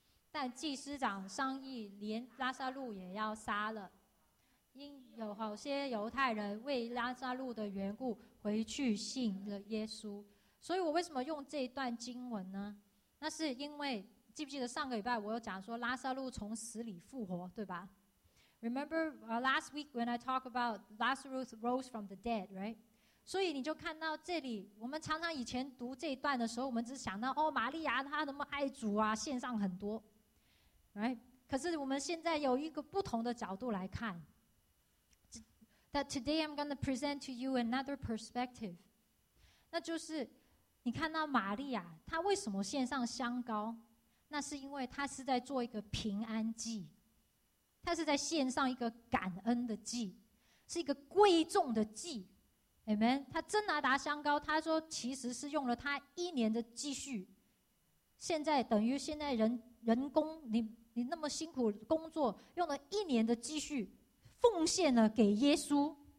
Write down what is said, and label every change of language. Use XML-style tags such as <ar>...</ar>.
<zh>但祭司长商议，连拉撒路也要杀了，因有好些犹太人为拉撒路的缘故回去信了耶稣。所以我为什么用这一段经文呢？那是因为，记不记得上个礼拜我有讲说拉撒路从死里复活，对吧？</zh> <en>Remember last week when I talk about Lazarus rose from the dead, right?</en> <zh>所以你就看到这里，我们常常以前读这一段的时候，我们只想到哦，玛利亚她那么爱主啊，献上很多， right? 可是我们现在有一个不同的角度来看。</zh> <en>That today I'm going to present to you another perspective.</en> <zh>那就是你看到玛利亚她为什么献上香膏，那是因为他是在做一个平安祭，他是在献上一个感恩的祭，是一个贵重的祭。</zh> <en>Amen。</en> <zh>他真拿达香膏，他说其实是用了他一年的积蓄，现在等于现在 人工 你那么辛苦工作，用了一年的积蓄奉献了给耶稣。</zh>